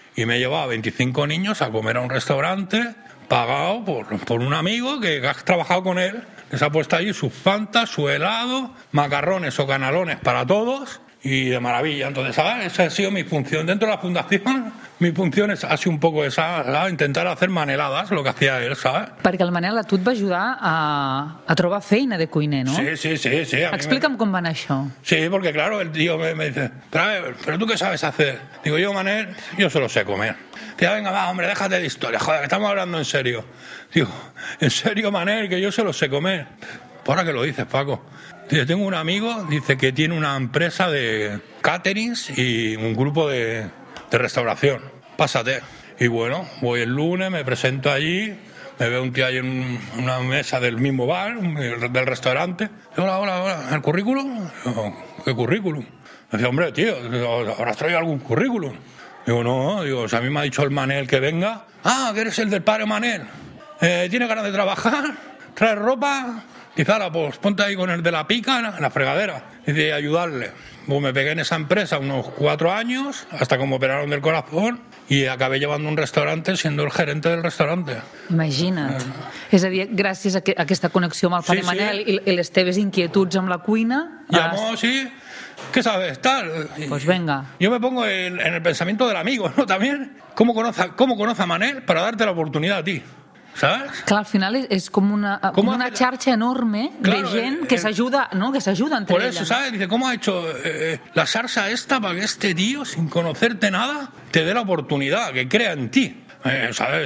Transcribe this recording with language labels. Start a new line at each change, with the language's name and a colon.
Spanish: Y me he llevado a 25 niños a comer a un restaurante pagado por un amigo que has trabajado con él. Les ha puesto allí sus fantas, su helado, macarrones o canalones para todos. Y de maravilla. Entonces, ¿sabes? Esa ha sido mi función dentro de la fundación. Mi función es así un poco esa, ¿verdad? Intentar hacer maneladas, lo que hacía él, ¿sabes?
Catalan: Perquè el Manel a tu et va ajudar a trobar feina de cuiner, ¿no?
Spanish: Sí, sí, sí, sí.
Catalan: Explica'm com va anar això.
Spanish: Sí, porque claro, el tío me dice, pero tú qué sabes hacer. Digo, yo, Manel, yo solo sé comer. Tía, venga, va, hombre, déjate de historia, joder, que estamos hablando en serio. Digo, en serio, Manel, que yo solo sé comer. Ahora que lo dices, Paco. Dice, tengo un amigo, dice que tiene una empresa de caterings y un grupo de restauración. Pásate. Y bueno, voy el lunes, me presento allí, Me ve un tío ahí en una mesa del mismo bar, del restaurante. Digo, hola, hola, hola, ¿el currículum? Digo, ¿qué currículum? Me dice, hombre, tío, ¿habrás traído algún currículum? Digo, no, digo, si a mí me ha dicho el Manel que venga. Ah, que eres el del padre Manel. ¿Tiene ganas de trabajar? ¿Trae ropa? Dice, ahora, pues ponte ahí con el de la pica, en la fregadera. Dice, ayudarle. Pues me pegué en esa empresa unos 4 años, hasta que me operaron del corazón, y acabé llevando un restaurante siendo el gerente del restaurante.
Catalan: Imagina't. És a dir, gràcies a aquesta connexió amb el pare, sí, Manel, sí. I les teves inquietuds amb la cuina...
Spanish: Llamó, sí, ¿qué sabes? Tal. Pues venga. Yo me pongo en el pensamiento del amigo, ¿no? También, ¿cómo conoce a Manel para darte la oportunidad a ti? ¿Sabes?
Catalan: Clar, al final és com una xarxa enorme, claro, de gent que s'ajuda, no? Que s'ajuda entre
Spanish: ells. Por eso, ¿sabes? Dice, ¿cómo ha hecho la xarxa esta para que este tío, sin conocerte nada, te dé la oportunidad, que crea en ti? ¿Sabes?